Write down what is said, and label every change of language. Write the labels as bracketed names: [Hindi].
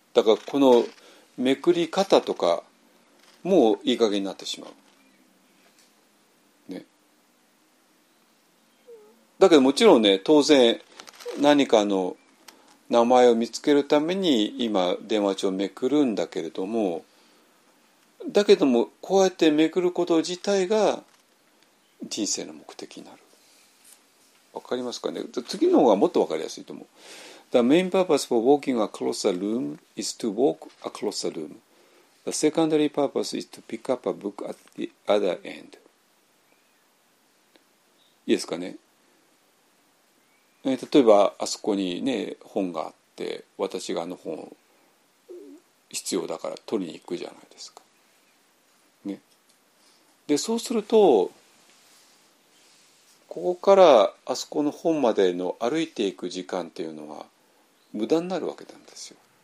[Japanese] だからこのめくり方とかもういい加減になってしまう、ね、だけどもちろんね当然何かの名前を見つけるために今電話帳をめくるんだけれども、だけどもこうやってめくること自体が人生の目的になる。わかりますかね。次の方がもっとわかりやすいと思う。 [English] The main purpose for walking across the room is to walk across the roomThe secondary purpose is to pick up a book at the other end. [Japanese] いいですかね。例えばあそこにね本があって私があの本必要だから取りに行くじゃないですか、ね、でそうするとここからあそこの本までの歩いていく時間っていうのは無駄になるわけなんですよ。